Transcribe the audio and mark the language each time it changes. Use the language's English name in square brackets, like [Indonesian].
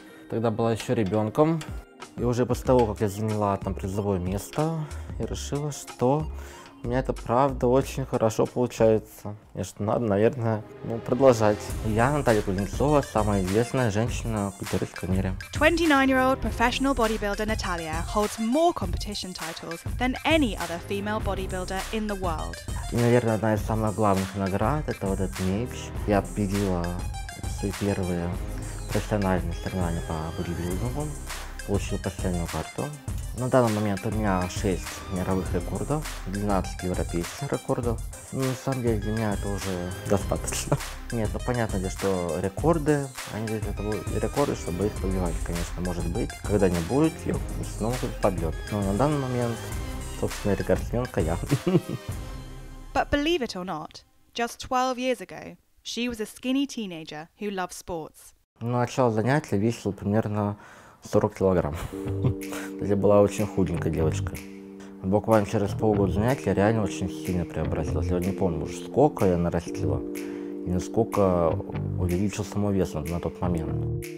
[Russian] Тогда была еще ребенком. И уже после того, как я заняла там призовое место, я решила, что у меня это правда очень хорошо получается. И что надо, наверное, ну, продолжать. Я Наталья Кузнецова, самая известная женщина в культуристском мире. [English] 29-year-old professional bodybuilder Natalia holds more competition titles than any other female bodybuilder in the world. [Russian] И, наверное, одна из самых главных наград – это вот этот меч. Я победила свои первые профессиональные соревнования по бодибилдингу. Получил последнюю карту. На данный момент у меня 6 мировых рекордов, 12 европейских рекордов. Ну, на самом деле, для меня это уже достаточно. Нет, ну понятно, что рекорды, они для того и рекорды, чтобы их побивать, конечно, может быть. Когда-нибудь ее снова кто-то побьет. Но на данный момент, собственно, рекордсменка я. [English] But believe it or not, just 12 years ago, she was a skinny teenager who loved sports. [Russian] На начало занятия весил примерно 40 килограмм. То есть я была очень худенькой девочкой. Буквально через полгода занятий я реально очень сильно преобразилась. Я не помню уже, сколько я нарастила и насколько увеличился мой вес на тот момент.